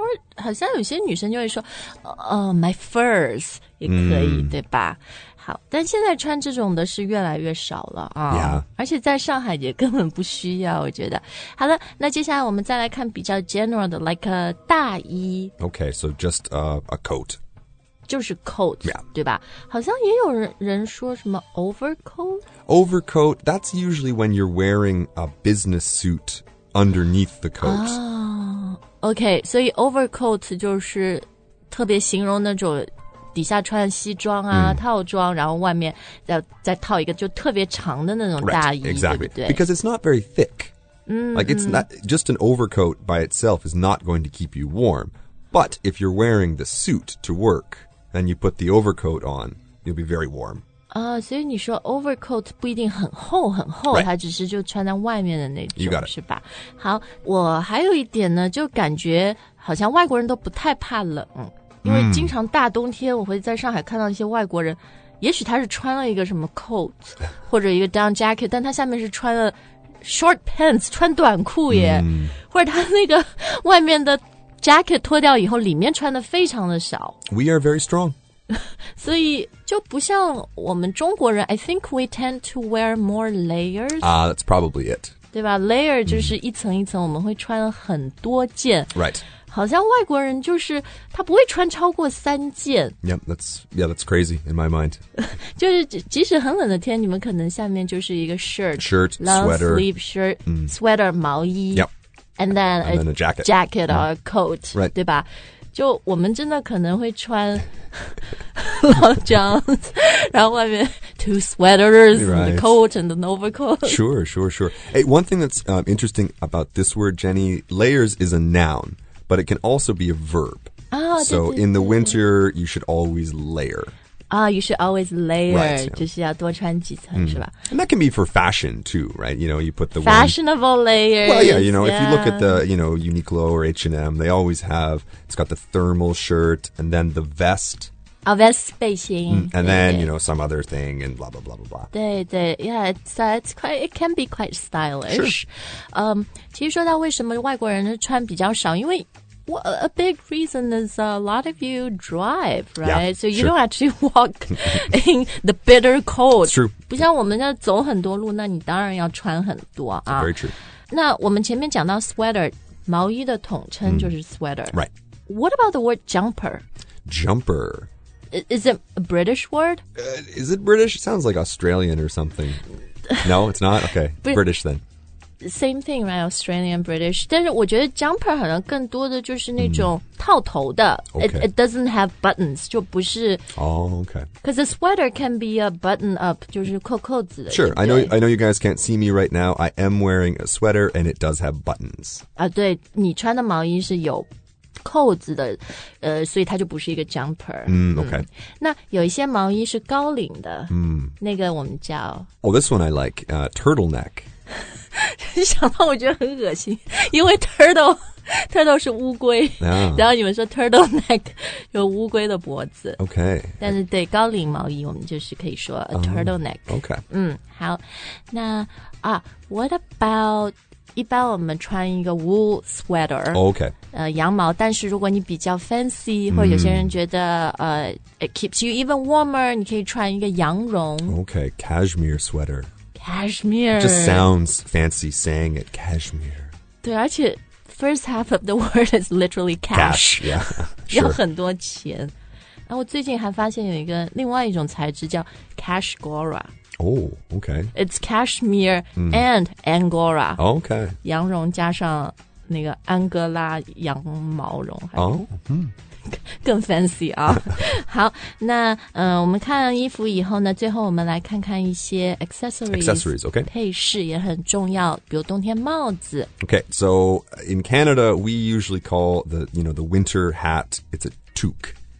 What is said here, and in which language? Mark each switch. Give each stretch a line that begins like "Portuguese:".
English: Or,
Chinese: 好像有些女生就会说
English: my furs
Chinese: 也可以、对吧好但现在穿这种的是越来越少了、
English: yeah.
Chinese: 而且在上海也根本不需要我觉得。好了那接下来我们再来看比较 general 的
English: like a
Chinese: 大衣。
English: Okay, so just a coat.
Chinese: 就是 coat,、
English: yeah.
Chinese: 对吧好像也有 人说什么 overcoat?
English: Overcoat, that's usually when you're wearing a business suit underneath the coat. Oh, okay, so
Chinese: overcoat 就是特别形容那种底下穿西装啊、套装然后外面 再套一个就特别长的那种大衣
English: right, exactly.
Chinese: 对不对
English: Because it's not very thick.、 Mm-hmm. Like it's not, just an overcoat by itself is not going to keep you warm. But if you're wearing the suit to work and you put the overcoat on, you'll be very warm.
Chinese: 所以你说 overcoat 不一定很厚很厚、
English: right.
Chinese: 它只是就穿在外面的那种
English: you got it.
Chinese: 是吧好我还有一点呢就感觉好像外国人都不太怕冷因为经常大冬天我会在上海看到一些外国人、也许他是穿了一个什么 coat 或者一个 down jacket 但他下面是穿了 short pants 穿短裤耶、或者他那个外面的 jacket 脱掉以后里面穿的非常的少
English: We are very strong
Chinese: 所以就不像我们中国人
English: I think we tend to wear more layers That's probably it
Chinese: 对吧 Layer 就是一层一层我们会穿很多件
English: Right
Chinese: 好像外国人就是他不会穿超过三件
English: Yep, that's crazy in my mind
Chinese: 就是即使很冷的天你们可能下面就是一个 shirt
English: long sweater long sleeve shirt、sweater 毛衣 Yep And then a jacket or a coat Right
Chinese: 对吧就我们真的可能会穿long johns, 然后外面
English: two sweaters,、 right. and the coat and an overcoat. Sure. Hey, one thing that's、interesting about this word, Jenny, layers is a noun, but it can also be a verb.、So in the winter, you should always layer. You should always layer,、 right.
Chinese: 就是要多穿几层、是吧
English: And that can be for fashion too, right? You know, you put the Fashionable one, layers. Well, yeah, you know,、 yeah. if you look at the, you know, Uniqlo or H&M, they always have, it's got the thermal shirt and then the vest. A vest 背心 And then, you know, some other thing and blah, blah, blah, blah, blah.
Chinese: 对对
English: yeah, it can be quite stylish. Sure.、
Chinese: 其实说到为什么外国人穿比较少因为
English: a big reason is a lot of you drive, right? Yeah, so you、 sure. don't actually walk in the bitter cold. It's true.
Chinese: 不像我们要走很多路那你当然要穿很多啊
English: It's very true.
Chinese: 那我们前面讲到 sweater, 毛衣的统称就是 sweater.、
English: Right. What about the word jumper? Jumper. Is it a British word? Is it British? It sounds like Australian or something. No, it's not? Okay, British then. Same thing, right? Australian, British.
Chinese: 但是我觉得 jumper 好像更多的就是那种套头的。
English: Okay. It doesn't have buttons,
Chinese: 就不是。
English: Oh, okay. Because a sweater can be a button up,
Chinese: 就是扣扣子的。
English: Sure, I know you guys can't see me right now. I am wearing a sweater and it does have buttons.
Chinese: 啊，对，你穿的毛衣是有扣子的，所以它就不是一个 jumper.
English: Okay.
Chinese: 那有一些毛衣是高领的。那个我们叫。
English: Oh, this one I like, turtleneck.
Chinese: 想到我觉得很恶心，因为 turtle 是乌龟、
English: yeah.
Chinese: 然后你们说 turtle neck 有乌龟的脖子
English: OK
Chinese: 但是对高领毛衣我们就是可以说 a turtle neck
English: OK
Chinese: 好那啊
English: what about
Chinese: 一般我们穿一个 wool sweater
English: OK
Chinese: 羊毛但是如果你比较 fancy 或者有些人觉得、
English: it keeps you even warmer
Chinese: 你可以穿一个羊绒
English: OK cashmere sweater Cashmere. It just sounds fancy saying it, cashmere.
Chinese: 对而且
English: first half of the word is literally cash. Cash, yeah, sure.
Chinese: 要很多钱。然后我最近还发现有一个另外一种材质叫 cash gora.
English: Oh, okay. It's cashmere and angora. Okay.
Chinese: 羊绒加上那个安哥拉羊毛绒。
English: Oh, hmm.
Chinese: 更 fancy 啊、哦、好那、我们看衣服以后呢最后我们来看看一些 accessories、
English: okay.
Chinese: 配饰也很重要比如冬天帽子
English: Okay, so in Canada we usually call the, you know, the winter hat it's a toque